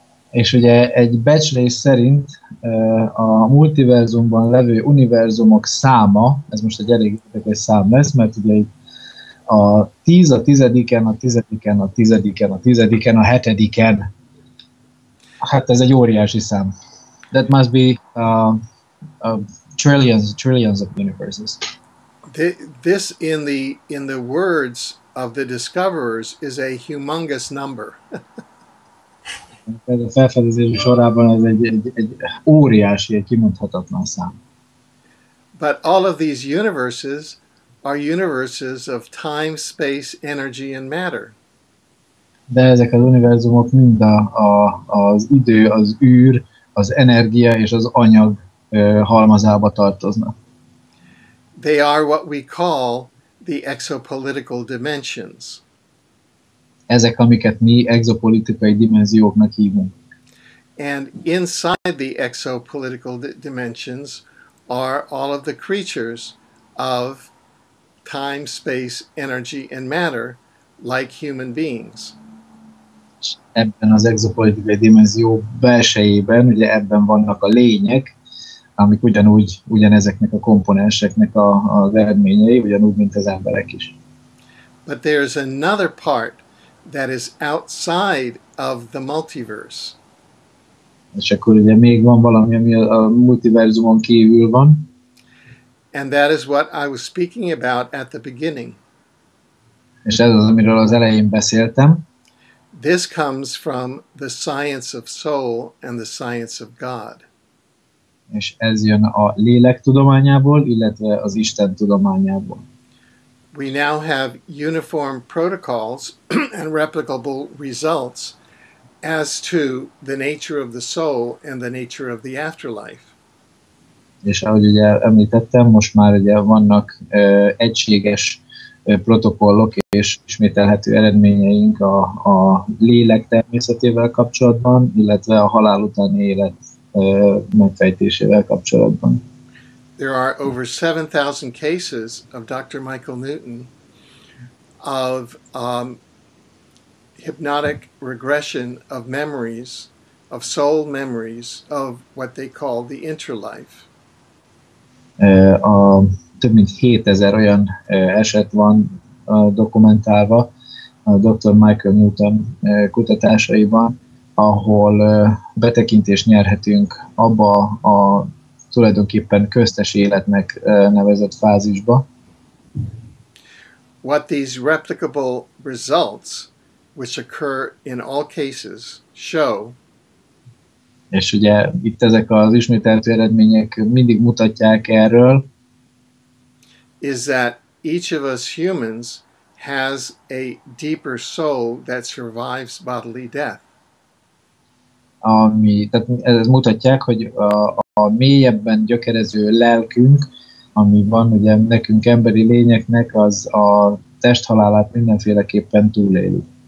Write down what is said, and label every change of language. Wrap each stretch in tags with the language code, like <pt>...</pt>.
<hu>És ugye egy becslés szerint a multiverzumban levő univerzumok száma, ez most egy elég érdekes szám lesz, mert ugye a 10 a tizediken, a tizediken, a tizediken, a tizediken, a hetediken. Hát ez egy óriási szám.</hu> <en>That must be trillions of universes. This in the words of the discoverers is a humongous number.</en> <hu>Ez a felfedezés sorában ez egy óriási, egy kimondhatatlan szám.</hu> <en>But all of these universes are universes of time, space, energy and matter.</en> <hu>De ezek az univerzumok mind az idő, az űr, az energia és az anyag halmazába tartoznak.</hu> <en>They are what we call the exopolitical dimensions.</en> <hu>Ezek, amiket mi exopolitikai dimenzióknak hívunk.</hu> <en>And inside the exopolitical dimensions are all of the creatures of time, space, energy and matter, like human beings.</en> <hu>Ebben az exopolitikai dimenzió belsejében, ugye ebben vannak a lények, amik ugyanezeknek a komponenseknek az eredményei, ugyanúgy, mint az emberek is.</hu> <en>But there's another part that is outside of the multiverse.</en> <hu>És akkor ugye még van valami, ami a multiverzumon kívül van.</hu> <en>And that is what I was speaking about at the beginning.</en> <hu>És ez az, amiről az elején beszéltem.</hu> <en>This comes from the science of soul and the science of God.</en> <hu>És ez jön a lélek tudományából, illetve az Isten tudományából.</hu> <en>We now have uniform protocols and replicable results as to the nature of the soul and the nature of the afterlife.</en> <hu>És ahogy ugye említettem, most már ugye vannak egységes protokollok és ismételhető eredményeink a lélek természetével kapcsolatban, illetve a halál utáni élet megfejtésével kapcsolatban.</hu> <en>There are over 7,000 cases of Dr. Michael Newton of hypnotic regression of memories, of soul memories, of what they call the interlife.</en> <hu>A több mint 7000 olyan eset van dokumentálva a Dr. Michael Newton kutatásaiban, ahol betekintést nyerhetünk abba a tulajdonképpen köztes életnek nevezett fázisba.</hu> <en>What these replicable results, which occur in all cases, show.</en> <hu>És ugye itt ezek az ismételt eredmények mindig mutatják erről.</hu> <en>Is that each of us humans has a deeper soul that survives bodily death.</en> <hu>Ami, tehát ez mutatják, hogy a mélyebben gyökerező lelkünk, ami van ugye nekünk emberi lényeknek, az a testhalálát mindenféleképpen túléli.</hu>